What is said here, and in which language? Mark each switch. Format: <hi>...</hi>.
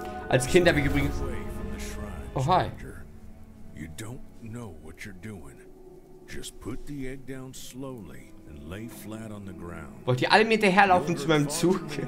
<de>Als Kind habe ich übrigens...</de> <en>Oh, hi. You don't know what you're doing. Just put the egg down slowly and lay flat on the ground.</en> <de>Wollt ihr alle mir hinterherlaufen zu meinem Zug?</de>